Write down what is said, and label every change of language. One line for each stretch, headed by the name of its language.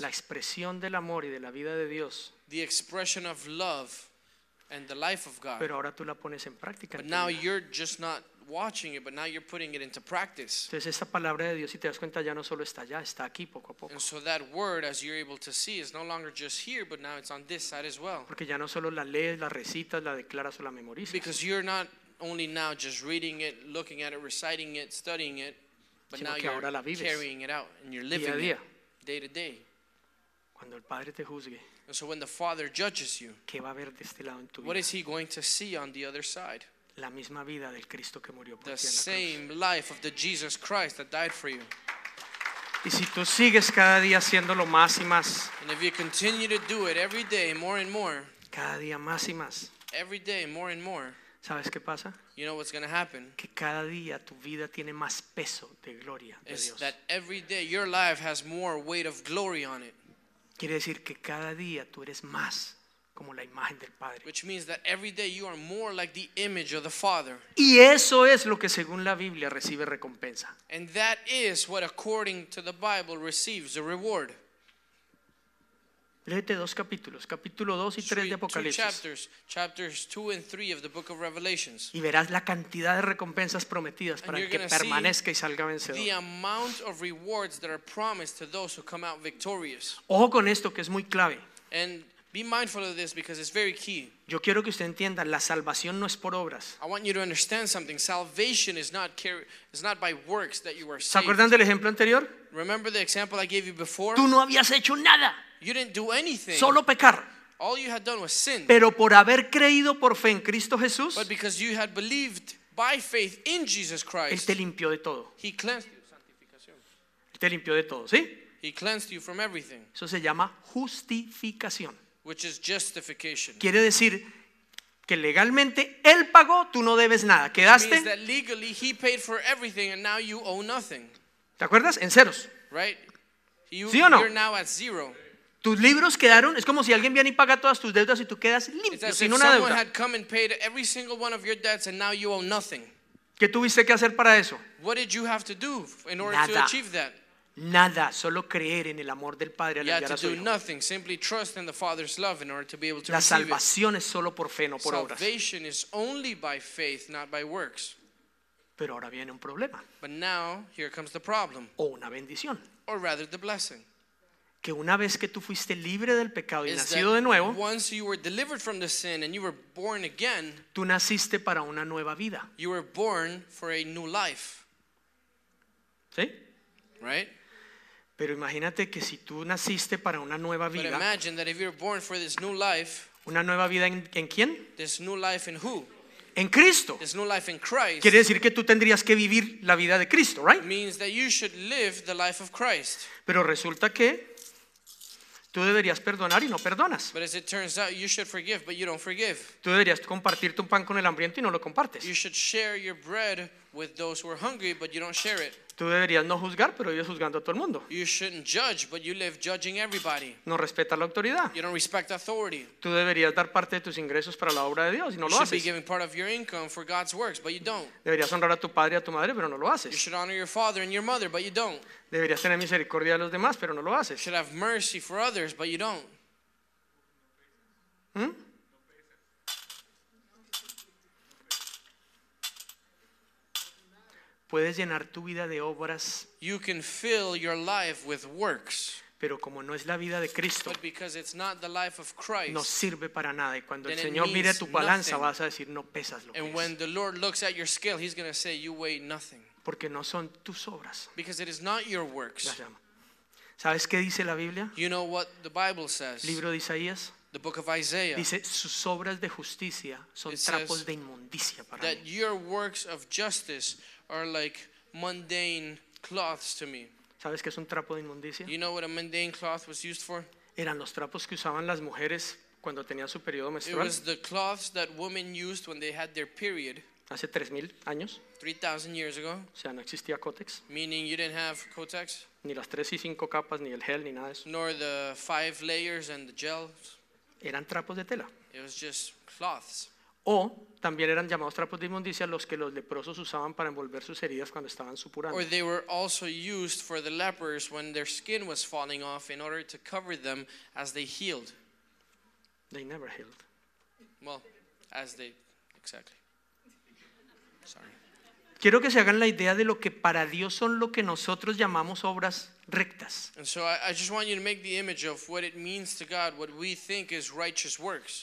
Spanish: La expresión del amor y de la vida de Dios.
English: The expression of love and the life of God.
Spanish: Pero ahora tú la pones en práctica.
English: But now you're just not watching it, but now you're putting it into practice.
Spanish: Entonces esa palabra de Dios, si te das cuenta, ya no solo está allá, está aquí poco a poco.
English: And so that word, as you're able to see, is no longer just here, but now it's on this side as well.
Spanish: Porque ya no solo la lees, la recitas, la declaras o la memorizas.
English: Because you're not only now just reading it, looking at it, reciting it, studying it, but now you're carrying it out and you're living
Spanish: día a día.
English: It day to day.
Spanish: Cuando el padre te juzgue,
English: and so when the Father judges you,
Spanish: ¿qué va a ver de este lado en tu
English: what
Spanish: vida?
English: Is he going to see on the other side?
Spanish: La misma vida del Cristo que murió por
English: the
Spanish: ti en la cruz.
English: Same life of the Jesus Christ that died for you.
Spanish: Y si tú sigues cada día haciéndolo más y más,
English: and if you continue to do it every day more and more,
Spanish: cada día más y más,
English: every day more and more,
Spanish: ¿sabes qué pasa?
English: You know what's going to happen?
Spanish: Que cada día tu vida tiene más peso de gloria de Dios.
English: That every day your life has more weight of glory on it.
Spanish: Quiere decir que cada día tú eres más como la imagen del Padre.
English: Which means that every day you are more like the image of the Father.
Spanish: Y eso es lo que según la Biblia recibe recompensa.
English: And that is what according to the Bible receives a reward.
Spanish: Léete dos capítulos, capítulo 2 y 3 de Apocalipsis.
English: Chapters 2 and 3 of the book of Revelations.
Spanish: Y verás la cantidad de recompensas prometidas para el que permanezca y salga vencedor.
English: The amount of rewards that are promised to those who come out victorious.
Spanish: Ojo con esto que es muy clave.
English: And be mindful of this because it's very key.
Spanish: Yo quiero que usted entienda, la salvación no es por obras.
English: I want you to understand something. Salvation is not by works that you are saved.
Spanish: ¿Se acuerdan del ejemplo anterior?
English: Remember the example I gave you before?
Spanish: Tú no habías hecho nada.
English: You didn't do anything.
Spanish: Solo pecar.
English: All you had done was sin.
Spanish: Pero por haber creído por fe en Cristo Jesús,
English: but because you had believed by faith in Jesus Christ,
Spanish: Él te limpió de todo.
English: He cleansed you. Santificación.
Spanish: Él te limpió de todo, ¿sí?
English: He cleansed you from everything.
Spanish: Eso se llama justificación.
English: Which is justification.
Spanish: Quiere decir que legalmente Él pagó, tú no debes nada. ¿Quedaste?
English: Means that legally he paid for everything and now you owe nothing.
Spanish: ¿Te acuerdas? En ceros.
English: Right?
Spanish: You, ¿sí o no?
English: You're now at zero.
Spanish: Tus libros quedaron, es como si alguien viene y paga todas tus deudas y tú quedas limpio, sin una deuda.
English: Someone had come and paid every single one of your debts and now you owe nothing.
Spanish: ¿Qué tuviste que hacer para eso?
English: What did you have to do in order
Spanish: nada
English: to achieve that?
Spanish: Nada, solo creer en el amor del Padre al enviar a su Hijo.
English: You had to do nothing, simply trust in the Father's love in order to be able to receive
Spanish: it. La salvación es solo por fe, no por obras.
English: Salvation is only by faith, not by works.
Spanish: Pero ahora viene un problema.
English: But now, here comes the problem.
Spanish: O una bendición.
English: Or rather the blessing.
Spanish: Que una vez que tú fuiste libre del pecado y nacido de nuevo,
English: once you were delivered from the sin and you were born again,
Spanish: tú naciste para una nueva vida.
English: You were born for a new life.
Spanish: ¿Sí?
English: Right?
Spanish: Pero imagínate que si tú naciste para una nueva vida,
English: but imagine that if you were born for this new life,
Spanish: una nueva vida en quién?
English: This new life in who?
Spanish: En Cristo.
English: This new life in Christ.
Spanish: Quiere decir que tú tendrías que vivir la vida de Cristo,
English: right? Means that you should live the life of Christ.
Spanish: Pero resulta que tú deberías perdonar y no perdonas.
English: But as it turns out, you should forgive, but you don't forgive.
Spanish: Tú deberías compartir tu pan con el hambriento y no lo compartes.
English: You should share your bread with those who are hungry, but you don't share it.
Spanish: Tú deberías no juzgar, pero vives juzgando a todo el mundo.
English: You shouldn't judge, but you live judging everybody.
Spanish: No respetas la autoridad.
English: You don't respect authority.
Spanish: Tú deberías dar parte de tus ingresos para la obra de Dios y no
English: you
Spanish: lo haces.
English: You should be giving part of your income for God's works, but you don't.
Spanish: Deberías honrar a tu padre y a tu madre, pero no lo haces.
English: You should honor your father and your mother, but you don't.
Spanish: Deberías tener misericordia de los demás, pero no lo haces.
English: You should have mercy for others, but you don't.
Spanish: Puedes llenar tu vida de obras.
English: You can fill your life with works.
Spanish: Pero como no es la vida de Cristo,
English: but because it's not the life of Christ,
Spanish: no sirve para nada. Y cuando el Señor mire tu balanza,
English: nothing,
Spanish: vas a decir, no pesas lo que es.
English: And when the Lord looks at your scale, he's going to say, you weigh nothing.
Spanish: Porque no son tus obras.
English: Because it is not your works.
Spanish: ¿Sabes qué dice la Biblia?
English: You know what the Bible says.
Spanish: Libro de Isaías.
English: The book of Isaiah.
Spanish: Dice, sus obras de justicia son trapos de inmundicia para mí.
English: That your works of justice are like mundane cloths to me.
Spanish: ¿Sabes qué es un trapo de inmundicia?
English: You know what a mundane cloth was used for?
Spanish: Eran los trapos que usaban las mujeres cuando tenían su periodo menstrual.
English: It was the cloths that women used when they had their period.
Spanish: Hace 3,000 años.
English: 3,000 years ago.
Spanish: O sea, no existía Kotex.
English: Meaning you didn't have Kotex.
Spanish: Ni las 3 y 5 capas, ni el gel, ni nada de eso.
English: Nor the 5 layers and the gels.
Spanish: Eran trapos de tela.
English: It was just cloths.
Spanish: O también eran llamados trapos de inmundicia los que los leprosos usaban para envolver sus heridas cuando estaban supurando.
English: Or they were also used for the lepers when their skin was falling off in order to cover them as they healed. They never healed. Well, as they, exactly. Sorry.
Spanish: Quiero que se hagan la idea de lo que para Dios son lo que nosotros llamamos obras rectas.
English: And so I just want you to make the image of what it means to God, what we think is righteous works.